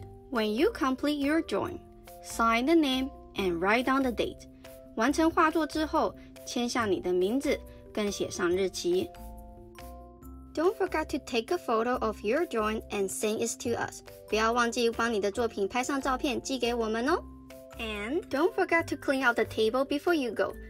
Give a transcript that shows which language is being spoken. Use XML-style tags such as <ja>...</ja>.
<en>When you complete your drawing, sign the name and write down the date.</en> <zh>完成画作之后，签下你的名字，更写上日期。</zh> <en>Don't forget to take a photo of your drawing and send it to us.</en> <zh>不要忘记帮你的作品拍上照片寄给我们哦。</zh> <en>And don't forget to clean out the table before you go.</en>